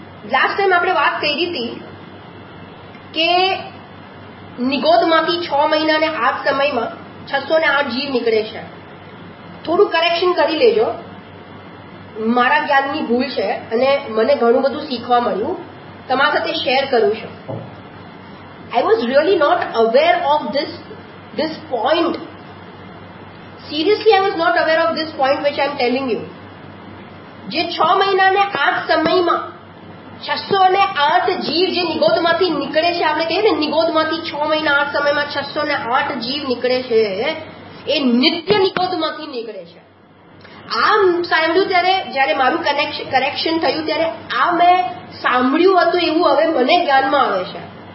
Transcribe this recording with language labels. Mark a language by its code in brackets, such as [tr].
[gu] Last time આપણે વાત કરી હતી કે નિગોતમાંથી છ મહિના ને આઠ સમયમાં 608 જીવ નીકળે છે. થોડું કરેક્શન કરી લેજો, મારા જ્ઞાનની ભૂલ છે અને મને ઘણું બધું શીખવા મળ્યું, તમારા સાથે શેર કરું છું. [en] I was really not aware of this point. Seriously, I was not aware of this point which I am telling you. [gu] જે છ મહિનાને આઠ સમયમાં 608 જીવ જે નિગોદમાંથી નીકળે છે, આપણે કહીએ ને નિગોદમાંથી 6 મહિના 8 સમયમાં 608 જીવ નીકળે છે, એ નિત્ય નિગોદમાંથી નીકળે છે. આ સાંભળ્યું ત્યારે, જયારે મારું કરેક્શન થયું ત્યારે આ મેં સાંભળ્યું હતું એવું હવે મને જ્ઞાનમાં આવે છે.